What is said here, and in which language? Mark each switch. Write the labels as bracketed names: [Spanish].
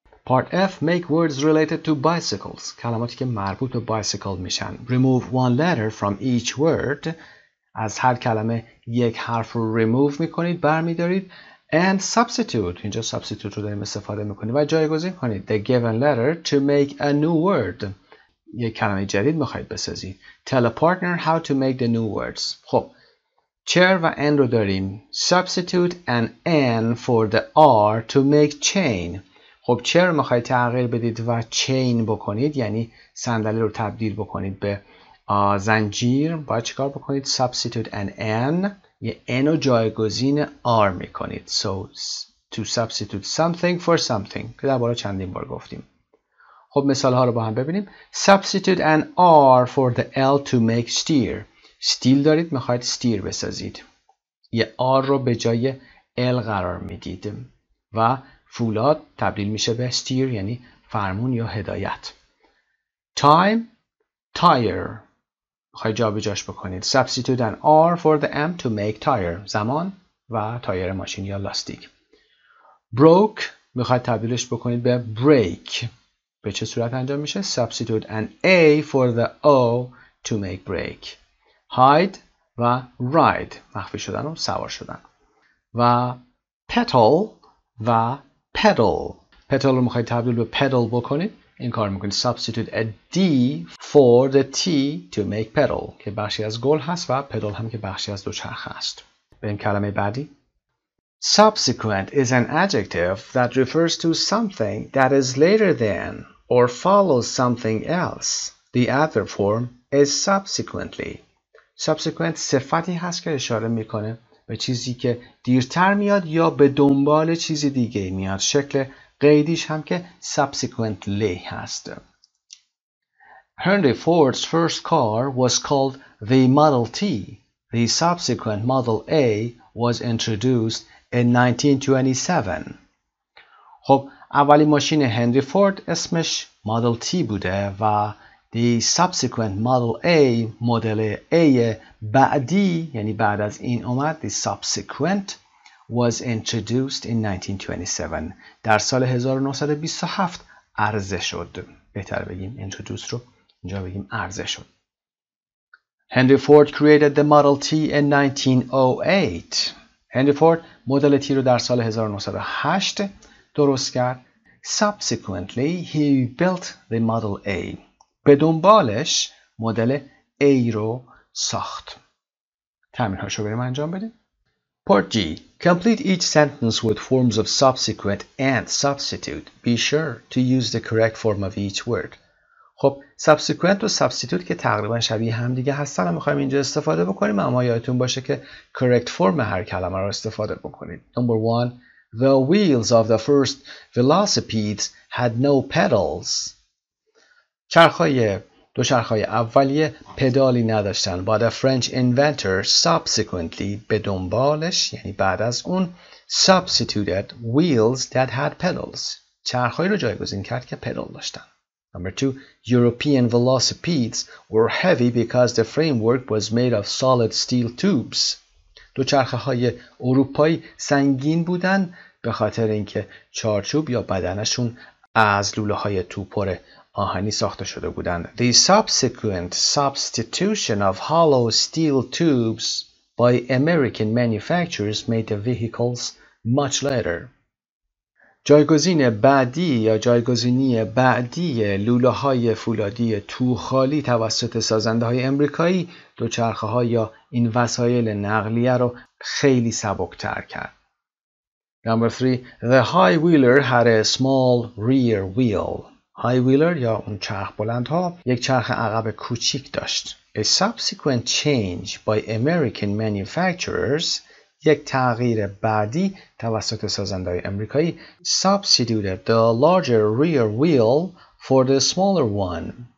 [English] Part F, make words related to bicycles. [Persian] کلماتی که مربوط به bicycle میشن. [English] Remove one letter from each word. [Persian] از هر کلمه یک حرف رو remove میکنید، برمیدارید. [English] And substitute. [Persian] اینجا substitute رو داریم استفاده میکنید. و جایگزین کنید. [English] The given letter to make a new word. [Persian] یک کلمه جدید میخواید بسازید. [English] Tell a partner how to make the new words. خب. Chair و N رو داریم. Substitute an N for the R to make chain. [Persian] خب چر میخواید تغییر بدید و چین بکنید، یعنی صندلی رو تبدیل بکنید به زنجیر، باید چیکار بکنید؟ [English] substitute an N، [Persian] یه N رو جایگزین R میکنید. [English] So to substitute something for something [Persian] که در باره چندین بار گفتیم. خب مثال ها رو با هم ببینیم. [English] substitute an R for the L to make steer. [Persian] steel دارید، میخواید steer بسازید، یه R رو به جای L قرار میدید و فولاد تبدیل میشه به steer، یعنی فرمون یا هدایت. [English] time tire [Persian] بخوای جا به جاش بکنید. [English] substitute an R for the M to make tire. [Persian] زمان و تایر ماشین یا لاستیک. broke میخوای تبدیلش بکنید به break. به چه صورت انجام میشه؟ [English] substitute an A for the O to make break. [Persian] hide و ride مخفی شدن و سوار شدن. و petal و pedal. pedal رو میخواید تبدیل به pedal بکنید. این کار میکنید. [English] substitute a D for the T to make pedal. [Persian] که بخشی از گل هست و pedal هم که بخشی از دوچرخه هست. بریم کلمه بعدی. [English] subsequent is an adjective that refers to something that is later than or follows something else. the adverb form is subsequently. [Persian] subsequent صفتی هست که اشاره میکنه به چیزی که دیرتر میاد یا به دنبال چیز دیگه میاد. شکل قیدیش هم که subsequently هست. [English] Henry Ford's first car was called the Model T. The subsequent Model A was introduced in 1927. [Persian] خب اولی ماشین هنری فورد اسمش Model T بوده و [English] the subsequent Model A [Persian] مدل A بعدی یعنی بعد از این اومد [English] the subsequent was introduced in 1927 [Persian] در سال 1927 عرضه شد بهتر بگیم introduced رو اینجا بگیم عرضه شد [English] Henry Ford created the Model T in 1908 [Persian] Henry Ford مدل T رو در سال 1908 درست کرد [English] subsequently he built the Model A [Persian] به دنبالش مدل A رو ساخت تمرین‌هاشو بریم انجام بدیم [English] Part G. Complete each sentence with forms of subsequent and substitute. Be sure to use the correct form of each word. [Persian] خب subsequent و substitute که تقریبا شبیه هم دیگه هستن و میخواییم اینجا استفاده بکنیم اما یادتون باشه که [English] correct form [Persian] هر کلمه رو استفاده بکنیم. [English] Number one. The wheels of the first velocipedes had no pedals. [Persian] چرخهای دو چرخهای اولیه پدالی نداشتن [English] but a French inventor subsequently [Persian] به دنبالش یعنی بعد از اون [English] substituted wheels that had pedals [Persian] چرخهایی رو جایگزین کرد که پدال داشتن [English] Number two, European velocipedes were heavy because the framework was made of solid steel tubes [Persian] دو چرخهای اروپایی سنگین بودن به خاطر اینکه چارچوب یا بدنشون از لوله های توپر آهنی ساخته شده بودند. [English] The subsequent substitution of hollow steel tubes by American manufacturers made the vehicles much lighter. [Persian] جایگزین بعدی یا جایگزینی بعدی لوله های فولادی توخالی توسط سازنده های امریکایی دوچرخه ها یا این وسایل نقلیه رو خیلی سبک‌تر کرد. [English] Number 3. The high wheeler had a small rear wheel. [Persian] High wheeler یا اون چرخ بلند ها یک چرخ عقب کوچیک داشت. [English] A subsequent change by American manufacturers [Persian] یک تغییر بعدی توسط سازنده های امریکایی [English] substituted the larger rear wheel for the smaller one.